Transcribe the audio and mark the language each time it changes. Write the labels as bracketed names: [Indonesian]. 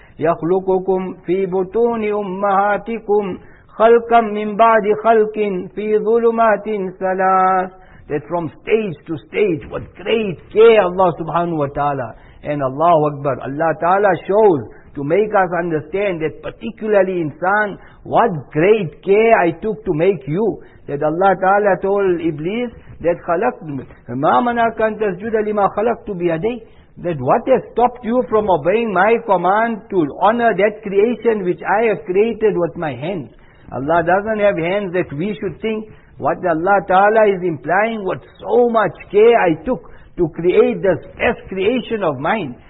[Arabic] يَخْلُقُكُمْ فِي بُطُونِ أُمَّهَاتِكُمْ خَلْقًا مِّن بَعْدِ خَلْقٍ فِي ظُلُمَاتٍ ثَلَاثٍ. [English] That from stage to stage, what great care Allah subhanahu wa ta'ala. And Allahu Akbar, Allah ta'ala shows to make us understand that particularly insan, what great care I took to make you. That Allah ta'ala told Iblis, that [Arabic] مَا مَنَاكَ أَنْ تَسْجُدَ لِمَا خَلَقْتُ بِيَدَيْهِ. [English] That what has stopped you from obeying my command to honor that creation which I have created with my hands? Allah doesn't have hands that we should think. What Allah Ta'ala is implying, what so much care I took to create this best creation of mine.